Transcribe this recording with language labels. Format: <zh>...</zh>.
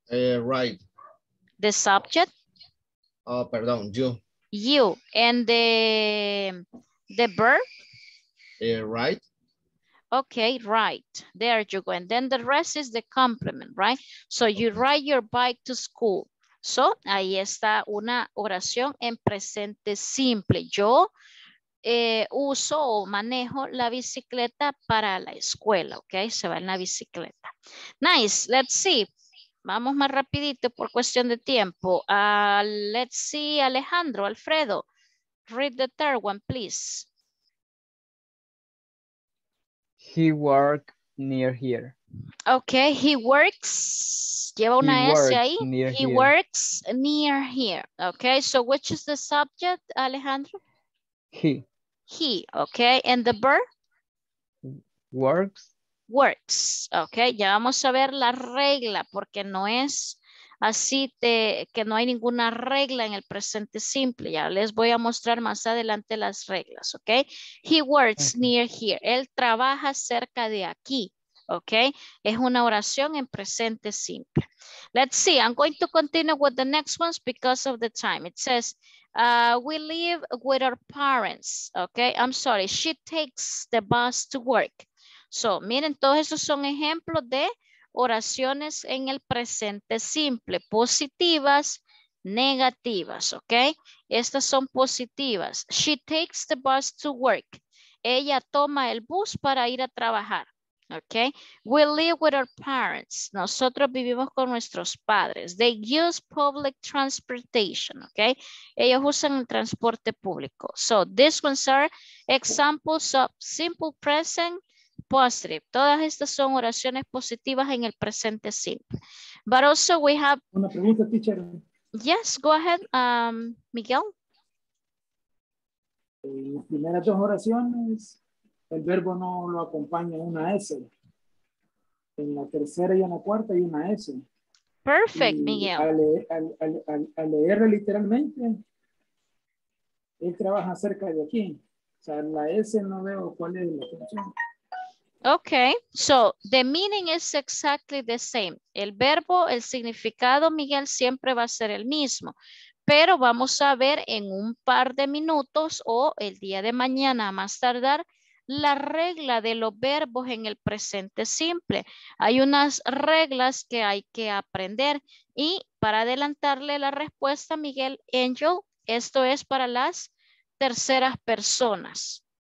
<en>Right. The subject? Oh, pardon, you. You. And the verb? Right. Okay, right. There you go. And then the rest is the complement, right? So you ride your bike to school.</en> <es>So ahí está una oración en presente simple. Yo uso o manejo la bicicleta para la escuela, ok, se va en la bicicleta.</es> <en>Nice, let's see,</en> <es>vamos más rapidito por cuestión de tiempo.</es> <en>Let's see, Alejandro, Alfredo, read the third one, please. He works near here. Ok, he works,</en> <es>lleva una</es> <en>he</en> <es>S ahí,</es> <en>near he here. Works near here. Ok, so which is the subject, Alejandro? He, okay, and the verb? Works.</en> <es>Works, okay, ya vamos a ver la regla, porque no es así que no hay ninguna regla en el presente simple, ya les voy a mostrar más adelante las reglas, okay.</es> <en>He works near here,</en> <es>él trabaja cerca de aquí, okay, es una oración en presente simple.</es> <en>Let's see, I'm going to continue with the next ones because of the time. It says, we live with our parents, okay? I'm sorry, she takes the bus to work.</en> <es>So, miren, todos esos son ejemplos de oraciones en el presente simple, positivas, negativas, okay? Estas son positivas.</es> <en>She takes the bus to work.</en> <es>Ella toma el bus para ir a trabajar.</es> <en>Okay, we live with our parents.</en> <es>Nosotros vivimos con nuestros padres.</es> <en>They use public transportation. Okay,</en> <es>ellos usan el transporte público.</es> <en>So these ones are examples of simple present positive.</en> <es>Todas estas son oraciones positivas en el presente simple.</es> <en>But also we have.</en> <es>Una pregunta, teacher.</es> <en>Yes, go ahead, Miguel.</en> <es>En las primeras dos oraciones, el verbo no lo acompaña una S. En la tercera y en la cuarta hay una S.</es> <en>Perfect, Miguel.</en> <es>Al leer literalmente, él trabaja cerca de aquí. O sea, la S no veo cuál es la función.</es> <en>Okay, so the meaning is exactly the same.</en> <es>El verbo, el significado, Miguel, siempre va a ser el mismo. Pero vamos a ver en un par de minutos o el día de mañana, a más tardar, la regla de los verbos en el presente simple. Hay unas reglas que hay que aprender. Y para adelantarle la respuesta, Miguel, Angel, esto es para las terceras personas.</es>